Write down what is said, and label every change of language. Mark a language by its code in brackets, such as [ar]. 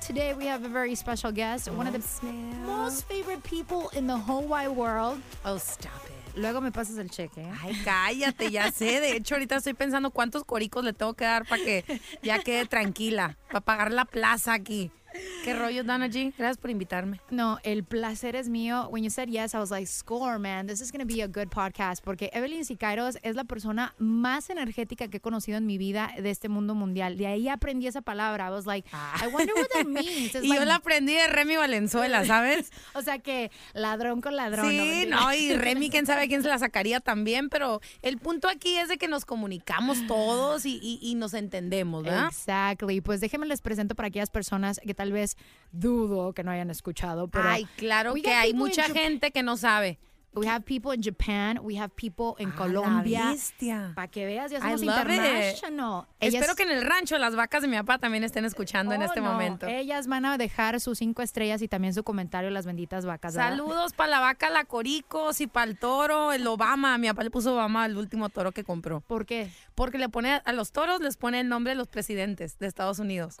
[en] Today we have a very special guest. One of the most favorite people in the whole wide world. Oh, stop it. [es] Luego me pasas el cheque. Ay, cállate, ya sé. De hecho, ahorita estoy pensando cuántos coricos le tengo que dar para que ya quede tranquila, para pagar la plaza aquí. ¿Qué rollo, Dana G? Gracias por invitarme. No, el placer es mío. [en] When you said yes, I was like, score, man. This is going to be a good podcast. [es] Porque Evelyn Siqueiros es la persona más energética que he conocido en mi vida de este mundo mundial. De ahí aprendí esa palabra. [en] I was like, I wonder what that means. It's y like, [es] yo la aprendí de Remy Valenzuela, ¿sabes? O sea que ladrón con ladrón. Sí, no, y Remy, quién sabe quién se la sacaría también. Pero el punto aquí es de que nos comunicamos todos y nos entendemos, ¿verdad? [en] Exactly. [es] Pues déjenme les presento para aquellas personas que tal vez dudo que no hayan escuchado, pero ay, claro que hay mucha gente que no sabe. [en] We have people in Japan, we have people in Colombia. [es] Para que veas, ya somos international. Espero que en el rancho las vacas de mi papá también estén escuchando en este momento. Ellas van a dejar sus 5 estrellas y también su comentario, las benditas vacas. ¿Verdad? Saludos para la vaca, la Coricos y para el toro, el Obama. Mi papá le puso Obama al último toro que compró. ¿Por qué? Porque le pone a los toros, les pone el nombre de los presidentes de Estados Unidos.